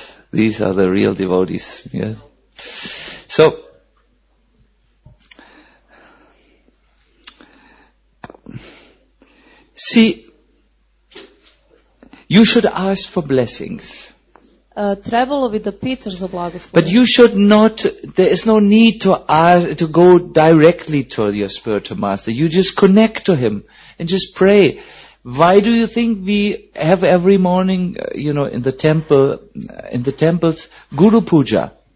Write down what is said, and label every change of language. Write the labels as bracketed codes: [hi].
[en] These are the real devotees. Yeah. So, see, you should ask for blessings. [sr] Trebalo bi da pitaš za blagoslov. [en] But you should not, there is no need to ask, to go directly to your spiritual master. You just connect to him and just pray. Why do you think we have every morning, you know, in the temple, in the temples, Guru Puja?